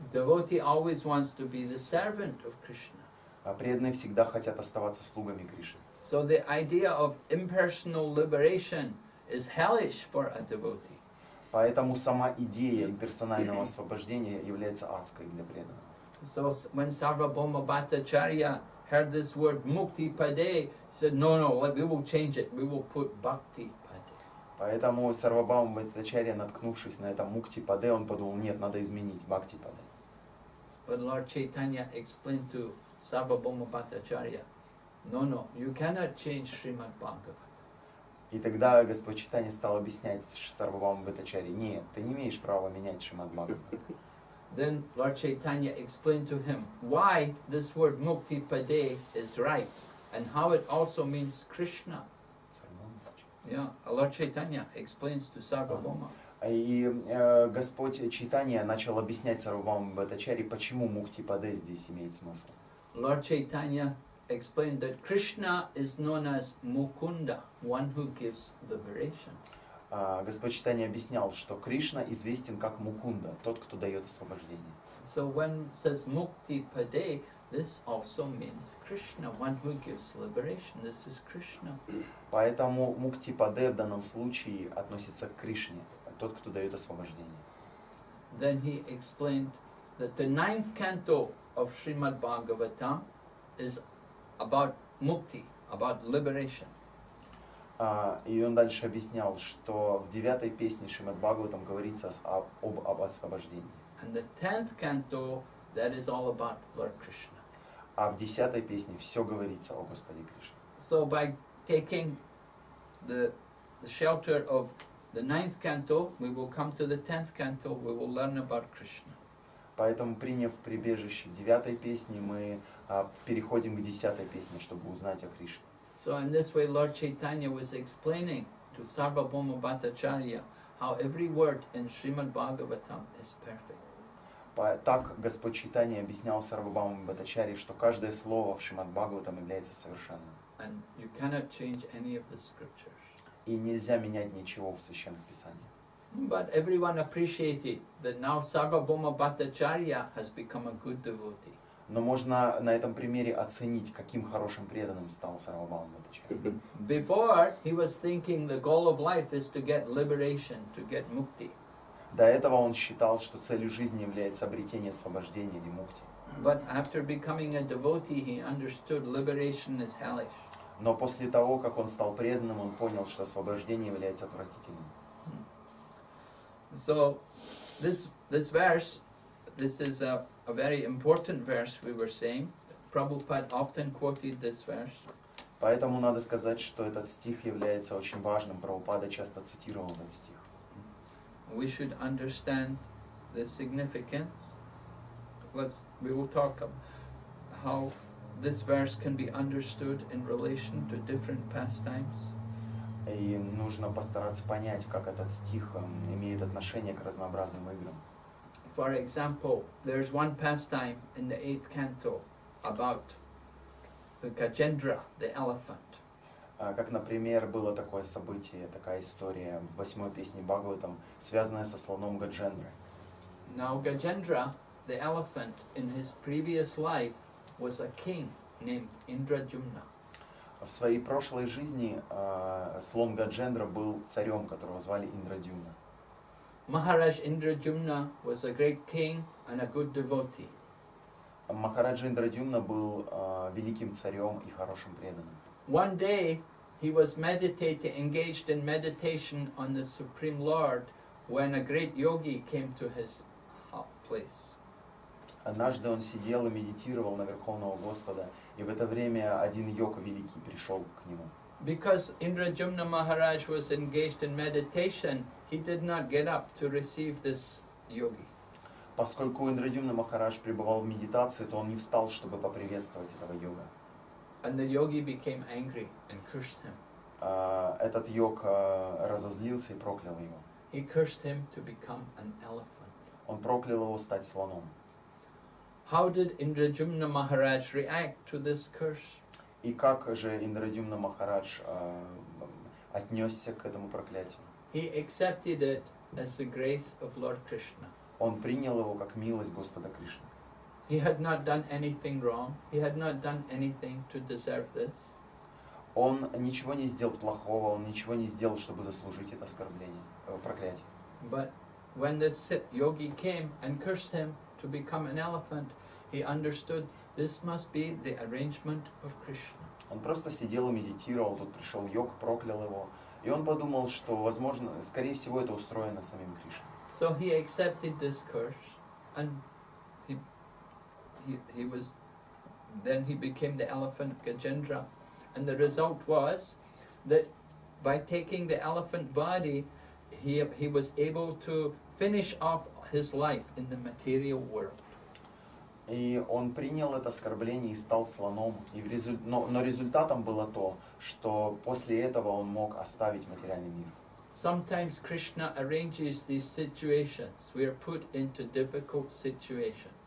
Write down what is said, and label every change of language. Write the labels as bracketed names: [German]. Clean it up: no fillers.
[English] Devotee always wants to be the servant of Krishna. [Russian] А преданные всегда хотят оставаться слугами Кришны. [English] So the idea of impersonal liberation is hellish for a devotee. [Russian] Поэтому сама идея имперсонального освобождения является адской для преданного. [English] So when Sarvabhauma Bhattacharya heard this word "Mukti Pade", he said, "No, we will change it. We will put Bhakti Pade". [Russian] Поэтому Сарвабхаума Бхаттачарья, наткнувшись на это "Мукти Паде", он подумал: "Нет, надо изменить Бхакти Паде". [English] But Lord Chaitanya explained to Sarvabhauma Bhattacharya, No, you cannot change Srimad Bhagavatam. [Russian] И тогда Господь Чайтанья стал объяснять Сарвабхаума Бхаттачарье: "Нет, ты не имеешь права менять Шримад Бхагаватам". [English] Then Lord Chaitanya explained to him why this word "Mukti Pade" is right and how it also means Krishna. Yeah, Lord Chaitanya explains to Sarvabhauma. [Russian] И Господь Чайтанья начал объяснять Сарвабхаума Бхаттачарье, почему "Мукти Паде" здесь имеет смысл. [English] Lord Chaitanya explained that Krishna is known as Mukunda, one who gives liberation. [Russian] Господь Чайтанья объяснял, что Кришна известен как Мукунда, тот, кто дает освобождение. [English] So when says Mukti Pade, this also means Krishna, one who gives liberation. This is Krishna. [Russian] Поэтому Мукти Паде в данном случае относится к Кришне, тот, кто дает освобождение. [English] Then he explained that the ninth canto of Srimad Bhagavatam is about mukti, about liberation. [Russian] И он дальше объяснял, что в девятой песне Шримад Бхагаватам говорится об освобождении. [English] And the tenth canto, that is all about Lord Krishna. [Russian] А в десятой песне все говорится о Господе Кришне. [English] So by taking the shelter of the ninth canto, we will come to the tenth canto, we will learn about Krishna. [Russian] Поэтому, приняв прибежище девятой песни, мы переходим к десятой песне, чтобы узнать о Кришне. [English] So in this way Lord Chaitanya was explaining to Sarvabhauma Bhattacharya how every word in Srimad Bhagavatam is perfect. [Russian] Так Господь Чайтанья объяснял Сарвабхауме Бхаттачарье, что каждое слово в Шримад Бхагаватам является совершенным. [English] And you cannot change any of the scriptures. [Russian] И нельзя менять ничего в Священных Писаниях. [English] But everyone appreciated that now Sarvabhauma Bhattacharya has become a good devotee. [Russian] Но можно на этом примере оценить, каким хорошим преданным стал Сарвабхаума Бхаттачарья. [English] Before he was thinking the goal of life is to get liberation, to get mukti. [Russian] До этого он считал, что целью жизни является обретение освобождения или мукти. [English] But after becoming a devotee, he understood liberation is hellish. [Russian] Но после того, как он стал преданным, он понял, что освобождение является отвратительным. [English] So this verse, this is a very important verse we were saying. Prabhupada often quoted this verse. [Russian] Поэтому надо сказать, что этот стих является очень важным. Прабхупада часто цитировал этот стих. [English] We should understand the significance. We will talk about how this verse can be understood in relation to different pastimes. [Russian] И нужно постараться понять, как этот стих имеет отношение к разнообразным играм. [English] For example, there's one pastime in the eighth canto about the Gajendra, the elephant. [Russian] Как, например, было такое событие, такая история в восьмой песне Бхагаватам, связанная со слоном Гаджендра. [English] Now Gajendra, the elephant, in his previous life was a king named Indrajumna. [Russian] В своей прошлой жизни слон Гаджендра был царем, которого звали Индрадюмна. [English] Махарадж Индрадюмна was a great king and a good devotee. [Russian] Махарадж Индрадюмна был великим царем и хорошим преданным. [English] One day he was meditating, engaged in meditation on the Supreme Lord, when a great yogi came to his place. [Russian] Однажды он сидел и медитировал на Верховного Господа, и в это время один йог великий пришел к нему. [English] Because Indrajumna Maharaj was engaged in meditation, he did not get up to receive this yogi. [Russian] Поскольку Индрадюмна Махарадж пребывал в медитации, то он не встал, чтобы поприветствовать этого йога. [English] And the yogi became angry and cursed him. [Russian] Этот йог разозлился и проклял его. [English] He cursed him to become an elephant. [Russian] Он проклял его стать слоном. [English] How did Indrajumna Maharaj react to this curse? [Russian] И как же Индрадюмна Махарадж отнесся к этому проклятию? [English] He accepted it as the grace of Lord Krishna. [Russian] Он принял его как милость Господа Кришны. [English] He had not done anything wrong. He had not done anything to deserve this. [Russian] Он ничего не сделал плохого. Он ничего не сделал, чтобы заслужить это оскорбление, проклятие. [English] But when the yogi came and cursed him to become an elephant, he understood this must be the arrangement of Krishna. [Russian] Он просто сидел и медитировал, тут пришел йог, проклял его, и он подумал, что, возможно, скорее всего, это устроено самим Кришной. [English] So he accepted this curse, and he became the elephant Gajendra, and the result was that by taking the elephant body, he was able to finish off his life in the material world. [Russian] И он принял это оскорбление и стал слоном. И но результатом было то, что после этого он мог оставить материальный мир. [English] Sometimes Krishna arranges these situations. We are put into difficult situations.